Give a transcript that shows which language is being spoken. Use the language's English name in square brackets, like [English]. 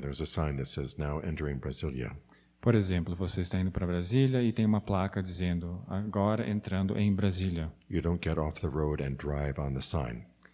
[English] There's a sign that says now entering Brasília. [Portuguese] Por exemplo, você está indo para Brasília e tem uma placa dizendo agora entrando em Brasília. [English] You don't get off the road and drive on the sign.